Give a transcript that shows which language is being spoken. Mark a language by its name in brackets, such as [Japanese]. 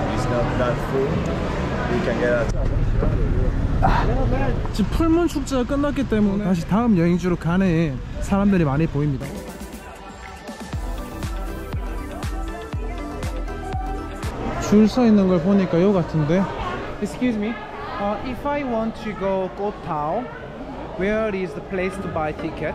[English] It's not that full. We can get out. [Korean] 지금 풀문 축제가 끝났기 때문에 다시 다음 여행지로 가는 사람들이 많이 보입니다. 줄 서 있는 걸 보니까 요 같은데. [English] Excuse me. If I want to go Kotao, where is the place to buy ticket?